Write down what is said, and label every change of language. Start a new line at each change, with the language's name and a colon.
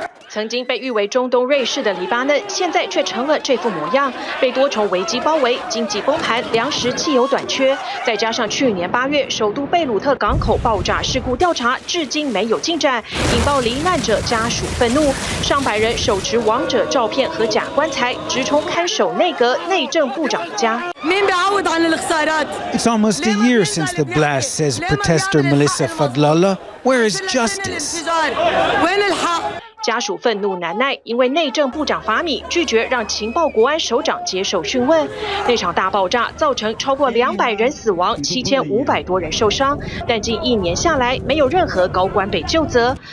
Chinese: 曾经被誉为中东瑞士的黎巴嫩，现在却成了这副模样，被多重危机包围，经济崩盘，粮食汽油短缺，再加上去年八月首都贝鲁特港口爆炸事故调查至今没有进展，引爆罹难者家属愤怒，上百人手持亡者照片和假棺材直冲看守内阁内政部长家。
English: It's almost a year since the blast, says protester Melissa Fadlala. Where is justice?
Chinese: 家属愤怒难耐，因为内政部长法米拒绝让情报国安首长接受讯问。那场大爆炸造成超过200人死亡，7500多人受伤，但近一年下来没有任何高官被救责。